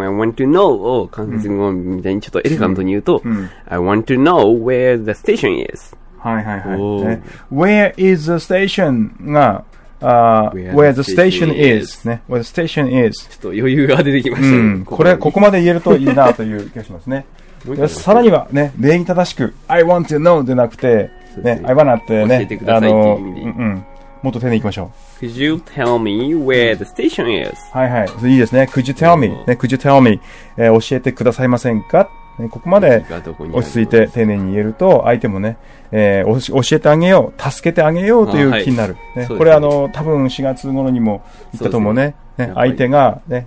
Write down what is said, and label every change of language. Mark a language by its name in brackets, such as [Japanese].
[English] I want to know [Japanese] を関節語みたいにちょっとエレガントに言うと、うん、 [English] I want to know where the station is。はいはいはい。ね、where is the station? が、where the station is。ね、where the station is。 [Japanese] ちょっと余裕が出てきました、ね、うん、これ、ここまで言えるといいなという気がしますね。さらには、ね、礼儀正しく、 [English] I want to know [Japanese] でなくて、ね、 [English] I wanna [Japanese] ってね、教えてくださいっていう意味で。うんうん、もっと丁寧にいきましょう。 [English] Could you tell me where the station is? [Japanese] はいはい。いいですね。 [English] Could you tell me?、 [Japanese] ね、 [English] could you tell me?、 [Japanese] 教えてくださいませんか、ね、ここまで落ち着いて丁寧に言えると、相手もね、教えてあげよう、助けてあげようという気になる。はい、ね、これ、多分4月頃にも言ったと思う ね。相手が、ね、